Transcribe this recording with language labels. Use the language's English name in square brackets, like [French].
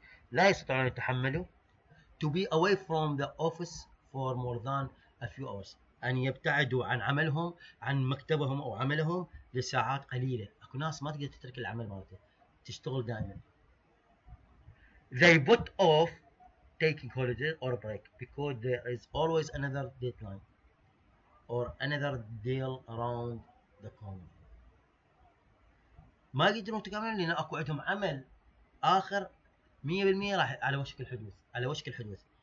[Arabic] لا يستطيعون ان يتحملوا [English] to be away from the office for more than a few hours. [Arabic] ان يبتعدوا عن عملهم عن مكتبهم او عملهم لساعات قليله. اكو ناس ما تقدر تترك العمل مالته تشتغل دائما. [English] They put off taking holiday or break because there is always another deadline or another deal around the corner. [Arabic] ما يقدرون تكملون لأن أكو عندهم عمل آخر 100% راح على وشك الحدوث، على وشك الحدوث.